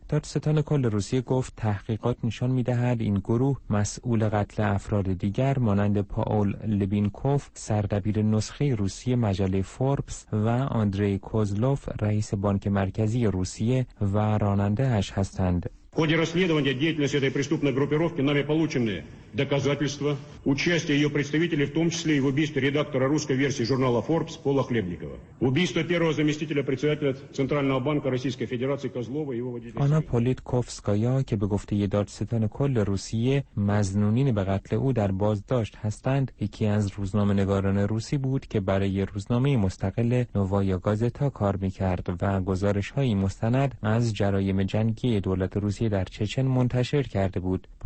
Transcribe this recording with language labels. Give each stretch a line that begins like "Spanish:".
Persian: دادستان کل روسیه گفت تحقیقات نشان می‌دهد این گروه مسئول قتل افراد دیگر مانند پاول لبینکوف، سردبیر نسخه روسی مجله فوربس و آندری کوزلوف، رئیس بانک مرکزی روسیه و راننده اش هستند.
Russian: В ходе расследования деятельности этой преступной группировки нами получены доказательства участия ее представителей, в том числе и в убийстве редактора русской версии журнала Forbes Пола Хлебникова. Убийство первого заместителя председателя Центрального банка Российской Федерации Козлова и его водителя.
Persian: Она Политковская, که به گفته دادستان کل روسیه مظنونین به قتل او در بازداشت هستند، یکی از روزنامه‌نگاران روسی بود که برای روزنامه مستقل نوایا گازتا کار می‌کرد و گزارش‌های مستند از جرایم جنگی دولت روسیه در چچن منتشر کرده بود. با